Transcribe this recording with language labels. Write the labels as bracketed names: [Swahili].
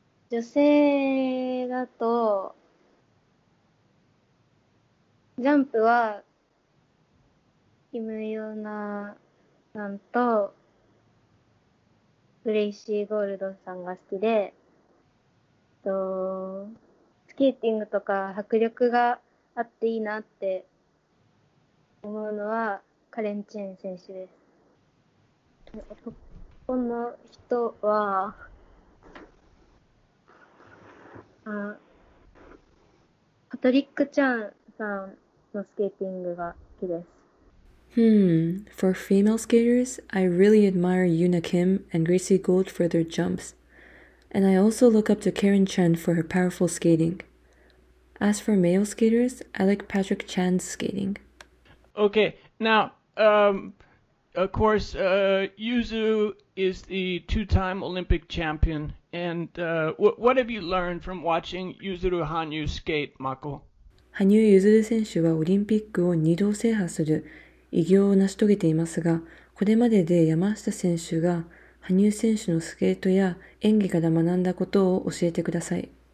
[Japanese] 女性だとジャンプはキム・ヨナさんとグレイシー・ゴールドさんが好きで、スケーティングとか迫力があっていいなって思うのはカレン・チェン選手です。この人は、パトリック・チャンさんのスケーティングが好きです。 [English] For female skaters, I really admire Yuna Kim and Gracie Gold for their jumps. And I also look up to Karen Chan for her powerful skating. As for male skaters, I like Patrick Chan's skating. Okay, now, of course, Yuzu is the two-time Olympic champion. And what have you learned from watching Yuzuru Hanyu skate, Mako? [Japanese] 羽生結弦選手はオリンピックを二度制覇する偉業を成し遂げていますが、これまでで山下選手が羽生選手のスケートや演技から学んだことを教えてください。